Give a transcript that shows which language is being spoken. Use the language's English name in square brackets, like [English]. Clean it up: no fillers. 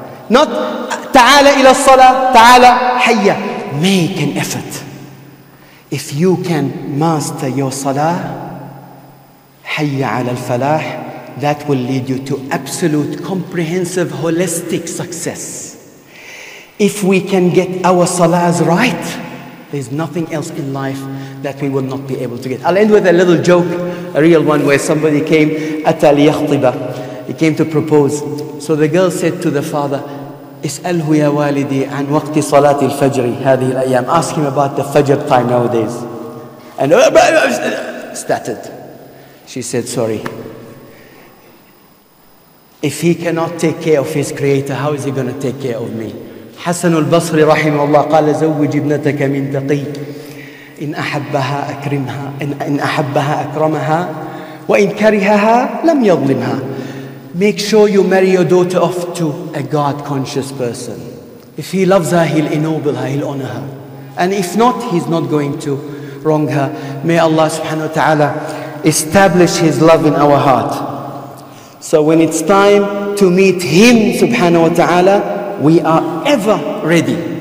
[English] Not [Arabic] تعالى إلى الصلاة تعالى حيا. [English] Make an effort. If you can master your salah, [Arabic] hayya ala al-falah, [English] that will lead you to absolute, comprehensive, holistic success. If we can get our salahs right, there's nothing else in life that we will not be able to get. I'll end with a little joke, a real one, where somebody came, [Arabic] ata liyakhtiba, [English] he came to propose. So the girl said to the father, [Arabic] اسألهُ يا والدي عن وقت صلاة الفجر هذه الأيام. [English] Ask him about the Fajr time nowadays. And started. She said, sorry. If he cannot take care of his creator, how is he going to take care of me? [Arabic] حسن البصري رحمه الله قال زوج ابنتك من تقي إن أحبها أكرمها إن أحبها أكرمها وإن كرهها لم يظلمها. [English] Make sure you marry your daughter off to a God-conscious person. If he loves her, he'll ennoble her, he'll honor her. And if not, he's not going to wrong her. May Allah subhanahu wa ta'ala establish his love in our heart. So when it's time to meet him subhanahu wa ta'ala, we are ever ready.